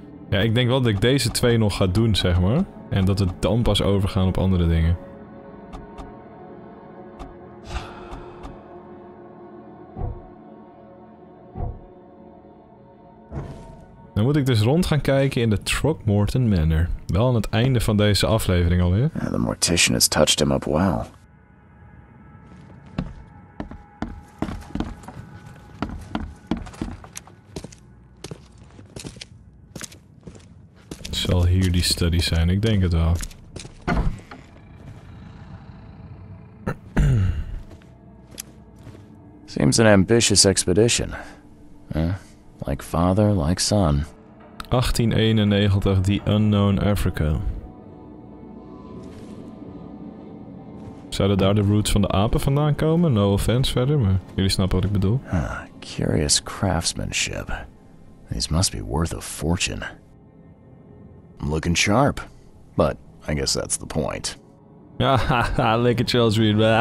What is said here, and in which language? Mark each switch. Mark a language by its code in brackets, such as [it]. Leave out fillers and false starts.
[nl] Ja, ik denk wel dat ik deze twee nog ga doen, zeg maar. En dat we dan pas overgaan op andere dingen. Dan moet ik dus rond gaan kijken in de Throckmorton Manor. Wel aan het einde van deze aflevering alweer. [en] Ja, the mortician has touched him up well. [nl] Zal hier die study zijn, ik denk het wel. [en] Seems an ambitious expedition. Like father, like son. 1891, The Unknown Africa. [nl] Zouden daar de roots van de apen vandaan komen? [en] No offense [nl] verder, maar jullie snappen wat ik bedoel. [en] Curious craftsmanship. These must be worth a fortune. I'm looking sharp, but I guess that's the point. Ahaha, look at Charles Reed.